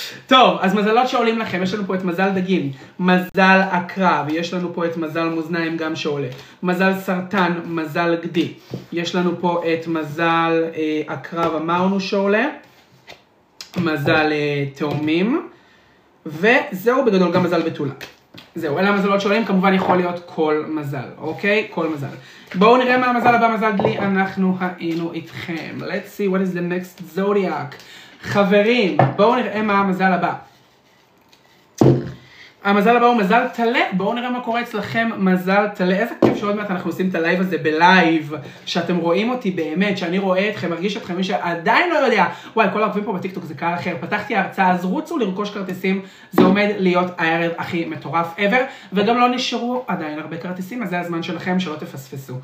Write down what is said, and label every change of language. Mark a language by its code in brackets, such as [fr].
[he] טוב, אז מזלות שעולים לכם, יש לנו פה את מזל דגים, מזל עקרב, יש לנו פה את מזל מוזניים גם שעולה, מזל סרטן, מזל גדי, יש לנו פה את מזל עקרב אמרנו שעולה, מזל תאומים, וזהו בגדול, גם מזל בתולה. זהו, אלה המזלות שעולים, כמובן יכול להיות כל מזל, אוקיי? כל מזל. בואו נראה מה המזל הבא, מזל דלי, אנחנו היינו איתכם. [en] Let's see what is the next zodiac. [he] חברים, בואו נראה מה המזל הבא. המזל הבא הוא מזל תלה, בואו נראה מה קורה אצלכם, מזל תלה. איזה כיף שעוד מעט אנחנו עושים את הלייב הזה בלייב, שאתם רואים אותי באמת, שאני רואה אתכם, מרגיש אתכם, מי שעדיין לא יודע. וואי, כל העוקבים פה בטיקטוק זה קהל אחר. פתחתי הרצאה, אז רוצו לרכוש כרטיסים, זה עומד להיות הערב הכי מטורף ever, וגם לא נשארו עדיין הרבה כרטיסים, אז זה הזמן שלכם שלא תפספסו.